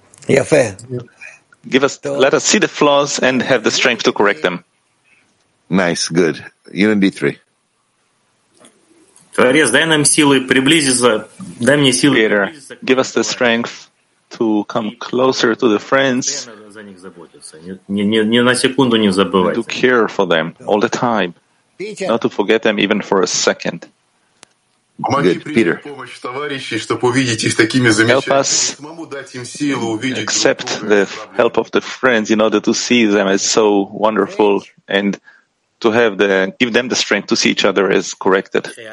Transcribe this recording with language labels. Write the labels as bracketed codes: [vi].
[en] Let us see the flaws and have the strength to correct them. Nice, good. Unity 3. [ru] Творец, дай нам силы приблизиться. Дай мне силы. [en] Creator, give us the strength to come closer to the friends. [ru] Не на секунду не забывай. [en] To care for them all the time, not to forget them even for a second. Good, Peter. Help us accept the help of the friends in order to see them as so wonderful and to have the give them the strength to see each other as corrected.